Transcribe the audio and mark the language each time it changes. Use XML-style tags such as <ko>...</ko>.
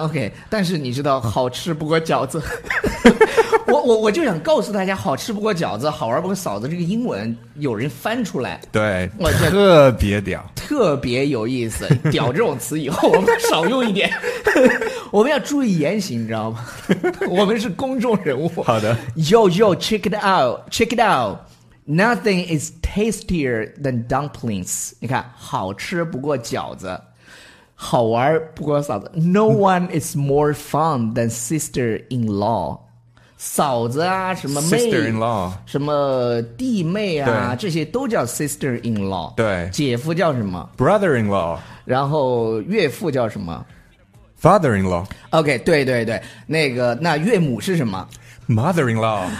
<zh>OK， 但是你知道，好吃不过饺子。我就想告诉大家，好吃不过饺子，好玩不过嫂子。这个英文有人翻出来，对，我觉得特别屌，特别有意思。屌这种词以后我们少用一点，我们要注意言行，你知道吗？我们是公众人物。好的</zh> <en>，Yo yo， check it out， check it out。 Nothing is tastier than dumplings.</en> <zh>你看，好吃不过饺子，好玩不过嫂子。</zh> <en>No one is more fun than sister-in-law.</en> <zh>嫂子啊，什么妹，</zh> <en>sister-in-law，</en> <zh>什么弟妹啊，这些都叫 sister-in-law。对，姐夫叫什么</zh> <en>？brother-in-law。</en> <zh>然后岳父叫什么</zh> <en>？father-in-law。</en> <zh>OK， 对对对，那岳母是什么？</zh> <en>Mother-in-law.</en>